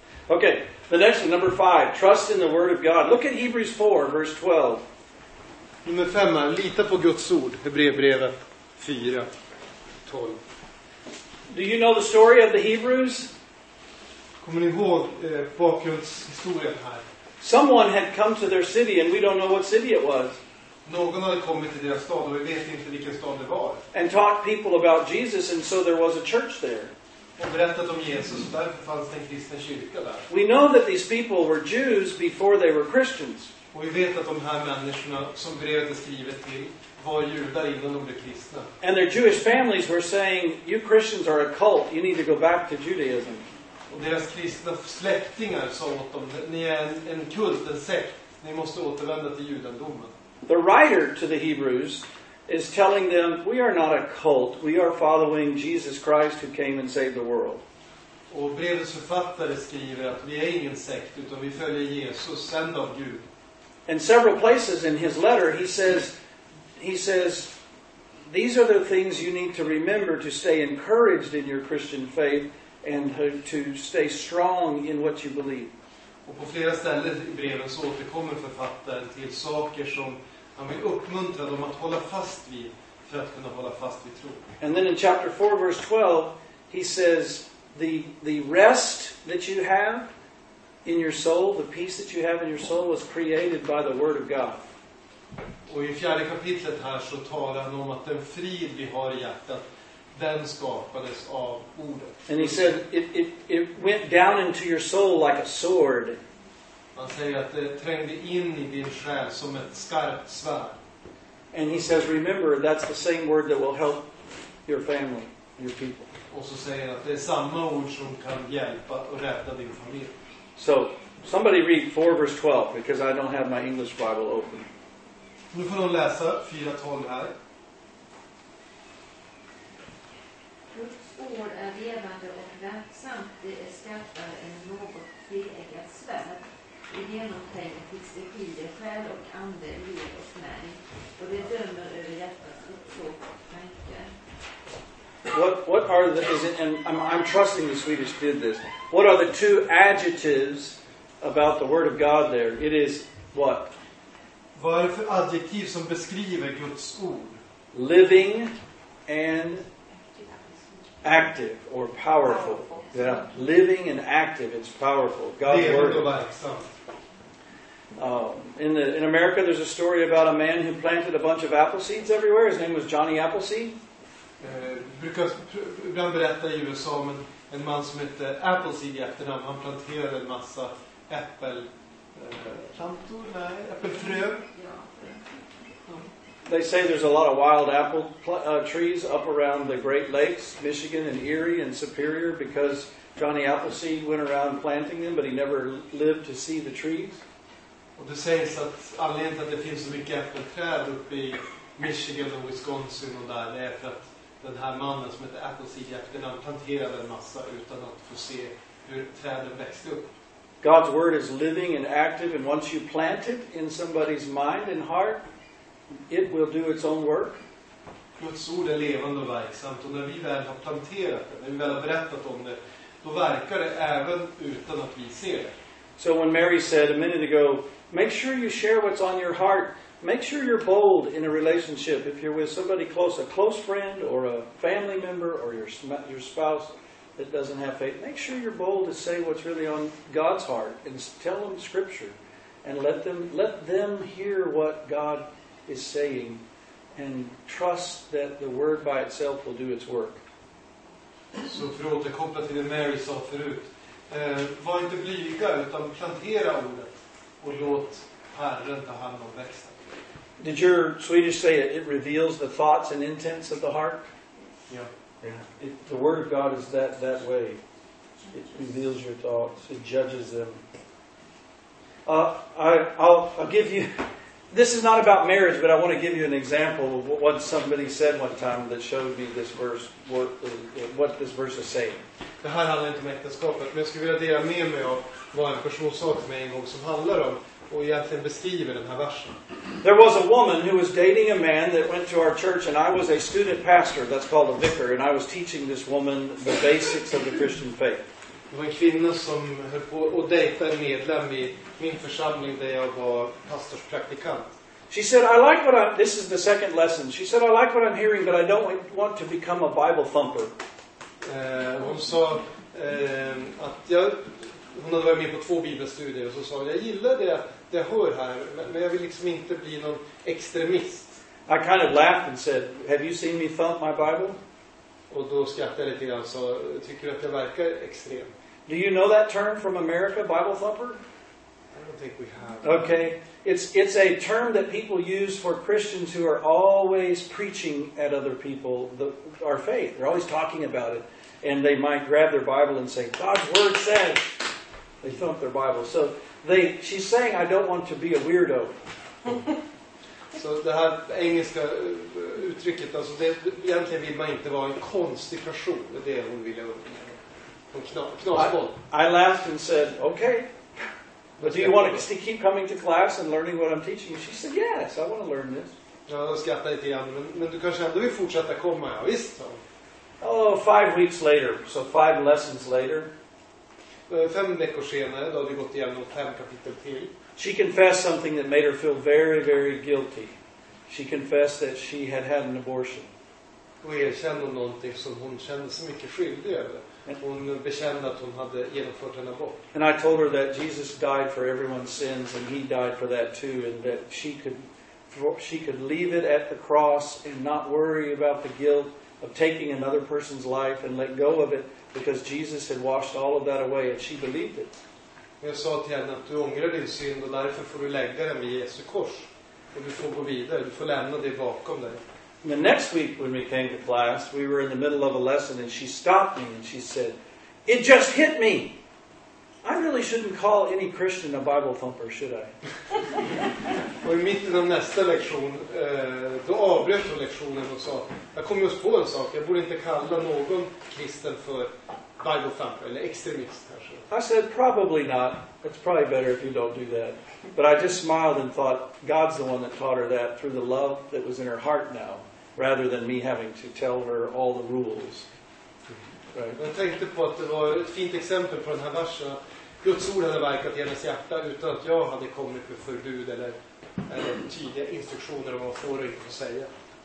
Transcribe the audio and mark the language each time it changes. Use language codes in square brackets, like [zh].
[en] Okay, the next one, number 5, trust in the word of God. Look at Hebrews 4, verse 12. [sv] Nummer 5, lita på Guds ord, Hebreerbrevet 4, 12. [en] Do you know the story of the Hebrews? [sv] Kommer ni ihåg bakgrundshistorien här? [en] Someone had come to their city and we don't know what city it was. [sv] Någon hade kommit till deras stad och vi vet inte vilken stad det var. [en] And talked people about Jesus and so there was a church there. [sv] Och berättat om Jesus, och därför fanns det en kristen kyrka där. [en] We know that these people were Jews before they were Christians. [sv] Och vi vet att de här människorna som brevet är skrivet till var judar innan de blev kristna. [en] And their Jewish families were saying, you Christians are a cult, you need to go back to Judaism. [sv] Och deras kristna släktingar sa åt dem, ni är en kult, en sekt, ni måste återvända till judendomen. [en] The writer to the Hebrews is telling them, we are not a cult, we are following Jesus Christ who came and saved the world. [sv] Och brevets författare skriver att vi är ingen sekt, utan vi följer Jesus, sänd av Gud. [en] In several places in his letter, he says, these are the things you need to remember to stay encouraged in your Christian faith and to stay strong in what you believe. [sv] Och på flera ställen i breven så återkommer författaren till saker som han vill uppmuntra dem att hålla fast vid för att kunna hålla fast vid tro. [en] And then in chapter 4, verse 12, he says, the rest that you have in your soul, the peace that you have in your soul was created by the word of God. [sv] Och i fjärde kapitlet här så talar han om att den frid vi har i hjärtat, den skapades av ordet. [en] And he said, it went down into your soul like a sword. [sv] Han säger att det trängde in i din själ som ett skarpt svärd. [en] And he says, remember, that's the same word that will help your family, your people. [sv] Och så säger han att det är samma ord som kan hjälpa och rädda din familj. [en] So, somebody read 4 verse 12, because I don't have my English Bible open. [sv] Nu får någon läsa 4:12 här. Guds ord är levande och verksamt. Det är skarpare än något tveeggat svärd. Det genomtränger tills det skiljer själ och ande, liv och märg. Och det dömer över hjärtats uppsåt och tankar. [en] What are the, is it, and I'm trusting the Swedish did this. What are the two adjectives about the word of God there? It is what? [sv] Vad är det för adjektiv som beskriver Guds ord? [en] Living and active or powerful. Powerful. Yeah. Living and active, it's powerful. God's [sv] levande [en] word. [sv] Och verksam. [en] In America there's a story about a man who planted a bunch of apple seeds everywhere. His name was Johnny Appleseed. [sv] Brukar berätta i USA om en man som heter Appleseed i efternamn. Han planterade en massa äppelfrö. [en] They say there's a lot of wild apple trees up around the Great Lakes, Michigan and Erie and Superior, because Johnny Appleseed went around planting them, but he never lived to see the trees. [sv] Och det sägs att anledningen till att det finns så mycket äppelträd uppe i Michigan och Wisconsin och där, det är för att den här mannen som heter Appleseed efternamn planterade en massa utan att få se hur träden växte upp. [en] God's word is living and active, and once you plant it in somebody's mind and heart, it will do its own work. [sv] Guds ord är levande och verksamt, och när vi väl har planterat det, när vi väl har berättat om det, då verkar det även utan att vi ser det. [en] So when Mary said a minute ago, Make sure you share what's on your heart. Make sure you're bold in a relationship. If you're with somebody close, a close friend or a family member or your spouse that doesn't have faith, make sure you're bold to say what's really on God's heart and tell them Scripture and let them hear what God is saying and trust that the Word by itself will do its work. [sv] Så för att återkoppla till det Mary sa förut, var inte blyga utan plantera ordet och låt Herren ta hand om växten. [en] Did your Swedish say it reveals the thoughts and intents of the heart? Yeah. It, the Word of God is that way. It reveals your thoughts. It judges them. I'll give you, this is not about marriage, but I want to give you an example of what somebody said one time that showed me this verse, what this verse is saying. [sv] Det här handlar inte om äktenskapet, men jag skulle vilja dela med mig av vad en person sa till mig en gång som handlar om och egentligen beskriver den här versen. [en] There was a woman who was dating a man that went to our church, and I was a student pastor, that's called a vicar, and I was teaching this woman the basics of the Christian faith. [sv] Det var en kvinna som höll på och dejta en medlem i min församling där jag var pastorspraktikant. [en] She said, I like what I'm, this is the second lesson. She said, I like what I'm hearing, but I don't want to become a Bible thumper. [sv] Hon sa att hon hade varit med på två bibelstudier och så sa hon, jag gillar det jag hör här, men jag vill liksom inte bli någon extremist. [en] I kind of laughed and said, have you seen me thump my Bible? [sv] Och då skrattade jag lite grann och sa, tycker du att jag verkar extrem? [en] Do you know that term from America, Bible thumper? I don't think we have. Okay. It's a term that people use for Christians who are always preaching at other people our faith. They're always talking about it. And they might grab their Bible and say, God's Word says. They thump their Bible. So she's saying, I don't want to be a weirdo. [sv] Så det här engelska uttrycket, alltså egentligen vill man inte vara en konstig person. Det är det hon ville uppnå. Knasboll. [en] I laughed and said, okay. But do you want to keep coming to class and learning what I'm teaching? She said, yes, I want to learn this. [sv] Ja, då skrattade jag lite grann. Men du kanske ändå vill fortsätta komma. Ja, visst. Så. [en] Oh, 5 weeks later. So 5 lessons later. [sv] 5 veckor senare, då har vi gått igenom 5 kapitel till. [en] She confessed something that made her feel very, very guilty. She confessed that she had had an abortion. [sv] Och erkände hon någonting som hon kände så mycket skyldig över. Hon bekände att hon hade genomfört en abort. [en] And I told her that Jesus died for everyone's sins and he died for that too, and that she could leave it at the cross and not worry about the guilt of taking another person's life and let go of it because Jesus had washed all of that away and she believed it. [sv] Jag sa till henne att du ångrar din synd och därför får du lägga den vid Jesu kors och du får gå vidare, du får lämna det bakom dig. [en] The next week when we came to class, we were in the middle of a lesson and she stopped me and she said, it just hit me. I really shouldn't call any Christian a Bible thumper, should I? [sv] Och i mitten av nästa lektion, då avbröt hon lektionen och sa, jag kom just på en sak, jag borde inte kalla någon kristen för Bible thumper eller extremist. [en] I said, probably not. It's probably better if you don't do that. But I just smiled and thought, God's the one that taught her that through the love that was in her heart now, rather than me having to tell her all the rules. Right? [sv] Jag tänkte på att det var ett fint exempel på den här versen. Guds ord hade verkat i hennes hjärta utan att jag hade kommit med förbud eller tydliga instruktioner om vad hon får och inte får säga.